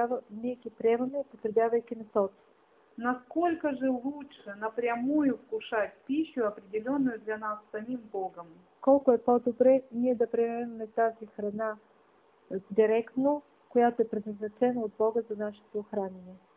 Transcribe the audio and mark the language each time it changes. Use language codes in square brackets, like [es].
[bg] Ние ги приемаме, употребявайки месото. [ru] Насколько же лучше напрямую вкушать пищу, определенную для нас самим Богом? [bg] Колко е по-добре ние да приемаме тази храна директно, която е предназначена от Бога за нашето хранение.